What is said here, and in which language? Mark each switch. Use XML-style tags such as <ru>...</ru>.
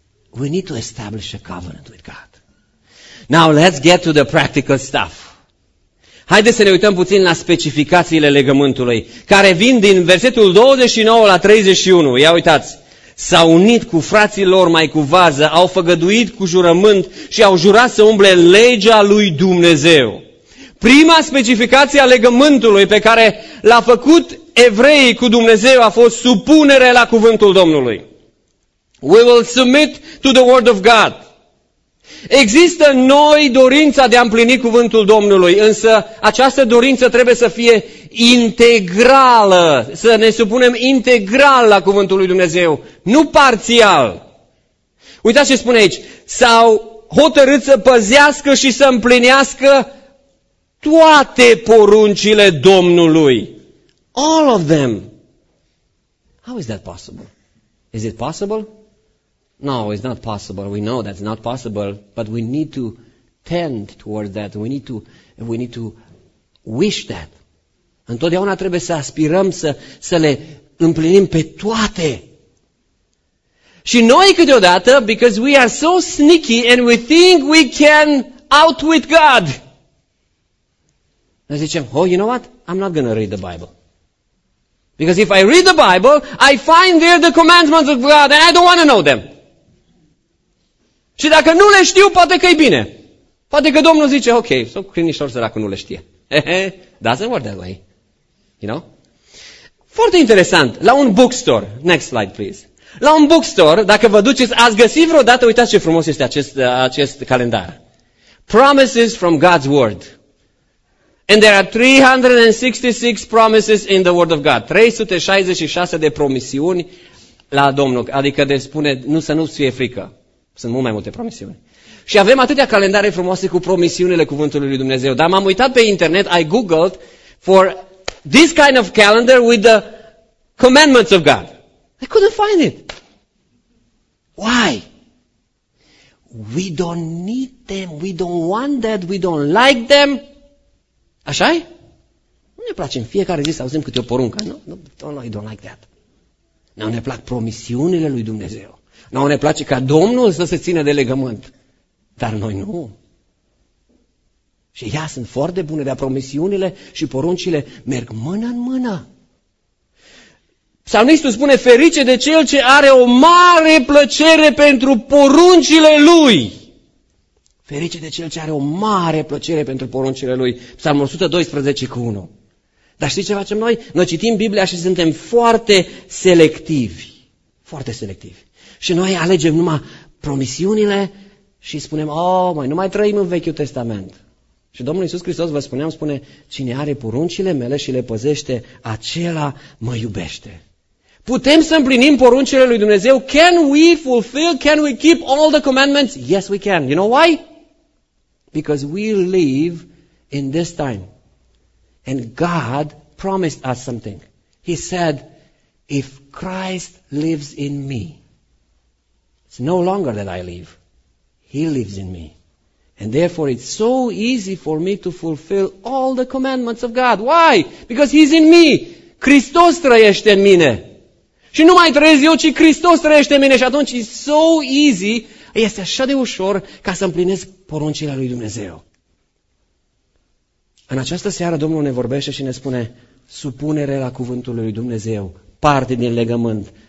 <en>We need to establish a covenant with God. Now let's get to the practical stuff.</en> <ro>Haideți să ne uităm puțin la specificațiile legământului, care vin din versetul 29 la 31. Ia uitați. S-au unit cu frații lor mai cu vază, au făgăduit cu jurământ și au jurat să umble legea lui Dumnezeu. Prima specificație a legământului pe care l-a făcut evreii cu Dumnezeu a fost supunere la cuvântul Domnului.</ro> <en>We will submit to the word of God.</en> <ro>Există în noi dorința de a împlini cuvântul Domnului, însă această dorință trebuie să fie integrală, să ne supunem integral la cuvântul lui Dumnezeu, nu parțial. Uitați ce spune aici, s-au hotărât să păzească și să împlinească toate poruncile Domnului.</ro> <en>All of them. How is that possible? Is it possible? No, it's not possible. We know that's not possible, but we need to tend toward that. We need to wish that.</en> <ro>Întotdeauna trebuie să aspirăm să le împlinim pe toate. Și noi câteodată,</ro> <en>because we are so sneaky and we think we can outwit God.</en> <ro>Noi zicem,</ro> <en>oh, you know what? I'm not going to read the Bible. Because if I read the Bible, I find there the commandments of God and I don't want to know them.</en> <ro>Și dacă nu le știu, poate că e bine. Poate că Domnul zice, ok, s-o crinișor săracul nu le știe.</ro> <en>Doesn't work that way. You know?</en> <ro>Foarte interesant, la un bookstore,</ro> <en>next slide please.</en> <ro>La un bookstore, dacă vă duceți, ați găsit vreodată, uitați ce frumos este acest calendar.</ro> <en>Promises from God's Word. And there are 366 promises in the Word of God.</en> <ro>366 de promisiuni la Domnul, adică de spune, nu să nu-ți fie frică. Sunt mult mai multe promisiuni. Și avem atâtea calendare frumoase cu promisiunile cuvântului lui Dumnezeu. Dar m-am uitat pe internet,</ro> <en>I googled for this kind of calendar with the commandments of God. I couldn't find it. Why? We don't need them, we don't want that, we don't like them.</en> <ro>Așa-i? Nu ne place în fiecare zi să auzim câte o poruncă.</ro> <en>No, I don't like that.</en> <ro>Nu ne plac promisiunile lui Dumnezeu. Nu ne place ca Domnul să se țină de legământ. Dar noi nu. Și ea sunt foarte bune, dar promisiunile și poruncile merg mână în mână. Psalmistul spune, ferice de cel ce are o mare plăcere pentru poruncile lui. Ferice de cel ce are o mare plăcere pentru poruncile lui. Psalmul 112:1. Dar știți ce facem noi? Noi citim Biblia și suntem foarte selectivi. Foarte selectivi. Și noi alegem numai promisiunile și spunem, mai nu mai trăim în Vechiul Testament. Și Domnul Iisus Hristos, vă spuneam, spune, cine are poruncile mele și le păzește, acela mă iubește. Putem să împlinim poruncile lui Dumnezeu?</ro> <en>Can we fulfill, can we keep all the commandments? Yes, we can. You know why? Because we live in this time. And God promised us something. He said, if Christ lives in me, it's no longer that I live. He lives in me. And therefore it's so easy for me to fulfill all the commandments of God. Why? Because He's in me.</en> <ro>Hristos trăiește în mine. Și nu mai trăiesc eu, ci Hristos trăiește în mine. Și atunci</ro> <en>it's so easy,</en> <ro>este așa de ușor ca să împlinesc poruncile lui Dumnezeu. În această seară Domnul ne vorbește și ne spune supunere la cuvântul lui Dumnezeu, parte din legământ.</ro>